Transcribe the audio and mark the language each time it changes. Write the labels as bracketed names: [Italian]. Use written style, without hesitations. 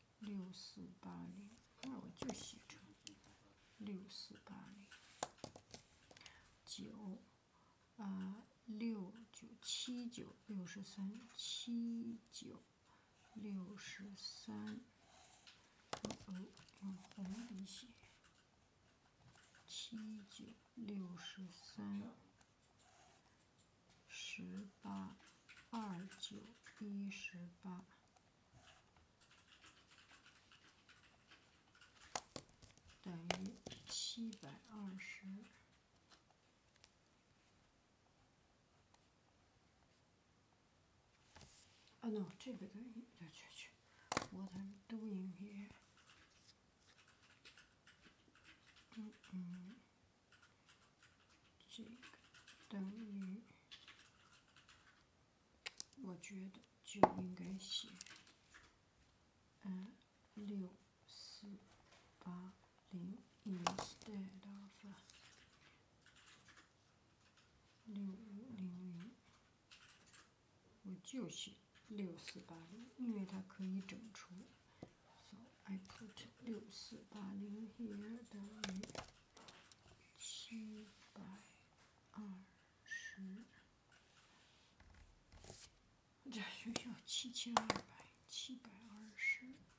[Chinese] 六四八零，那我就写成六四八零九，六九七九六十三，七九六十三，用红笔写，七九六十三，十八二九一十八。等于720，啊 [English] no， [Chinese] 这个等于，去 ， [English] What I'm doing here？ [Chinese] 这个等于，我觉得就应该写，六四八。 [English] instead of [Chinese] 6500，我就写6480，因为它可以整除。 [English] So I put 6480 here [Chinese] 等于720，这就要7220。